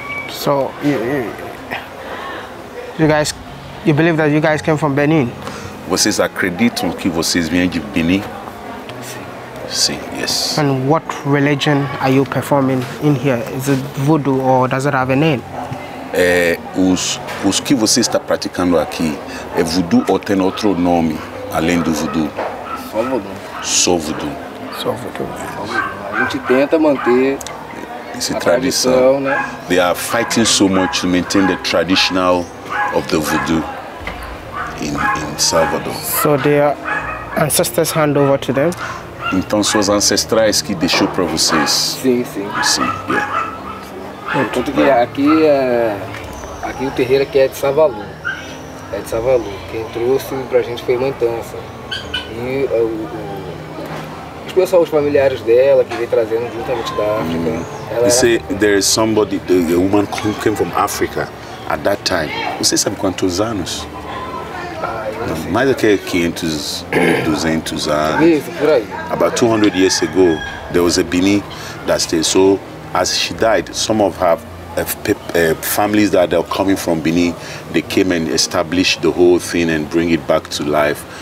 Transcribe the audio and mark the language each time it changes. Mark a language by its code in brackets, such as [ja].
[en] So, you believe that you guys came from Benin? [pt] Vocês acreditam que vocês vêm de Benin? Sim, [en] yes. And what religion are you performing in here? Is it voodoo or does it have a name? [pt] Os que você está praticando aqui é voodoo ou tem outro nome além do voodoo? Só voodoo. Só voodoo. Só voodoo. A gente tenta manter. [en] It's a tradition. They are fighting so much to maintain the traditional of the voodoo in Salvador. So their ancestors hand over to them? [pt] Então suas ancestrais que deixou para vocês. Sim, sim. Sim, yeah. Tanto que aqui o terreiro aqui é de Salvador. Quem trouxe pra gente foi Mantança. Eu sou os familiares dela que vem trazendo juntamente da África. [en] You say there is somebody, a woman who came from Africa at that time. [pt] Você sabe quantos anos? Mais do que 500, 200 anos. Isso, por aí. [en] About 200 years ago, there was a Bini that stayed. So as she died, some of her families that are coming from Bini, they came and established the whole thing and bring it back to life.